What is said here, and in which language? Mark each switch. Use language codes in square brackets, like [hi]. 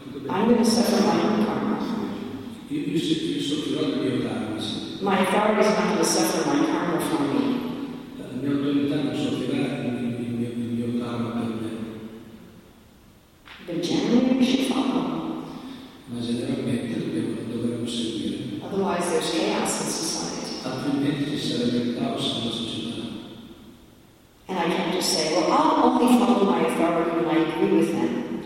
[en] I'm going to suffer my own karma. You suffer the mio karma. My authority is not going to suffer my karma for me. [it] La mia autorità non soffrirà il mio karma per me. [en] But generally we should follow. [it] Ma generalmente dovremmo seguire. [en] Otherwise there's chaos in society. [it] Altrimenti ci sarebbe il caos nella società. [en] And I can't just say, well, I'll only follow my authority when I agree with them.